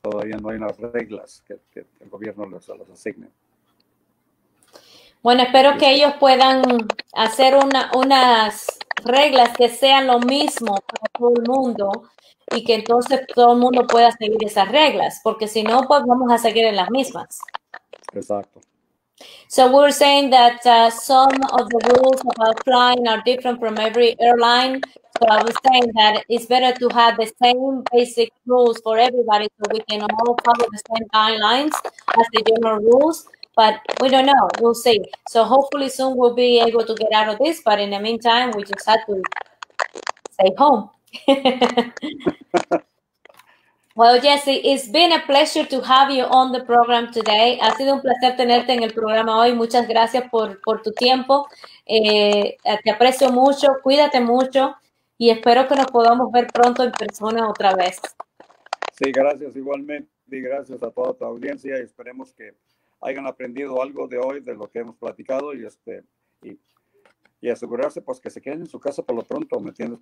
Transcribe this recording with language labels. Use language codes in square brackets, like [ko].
[es] Todavía no hay unas reglas que el gobierno los asigne. Bueno, espero que ellos puedan hacer unas reglas que sean lo mismo para todo el mundo y que entonces todo el mundo pueda seguir esas reglas, porque si no, pues vamos a seguir en las mismas. Exacto. [en] So we're saying that some of the rules about flying are different from every airline. So I was saying that it's better to have the same basic rules for everybody so we can all follow the same guidelines as the general rules. But we don't know. We'll see. So hopefully soon we'll be able to get out of this. But in the meantime, we just have to stay home. Well, Jesse, it's been a pleasure to have you on the program today. [es] Ha sido un placer tenerte en el programa hoy. Muchas gracias por tu tiempo. Te aprecio mucho. Cuídate mucho. Y espero que nos podamos ver pronto en persona otra vez. Sí, gracias igualmente y gracias a toda tu audiencia y esperemos que hayan aprendido algo de hoy, de lo que hemos platicado y asegurarse pues que se queden en su casa por lo pronto, ¿me entiendes?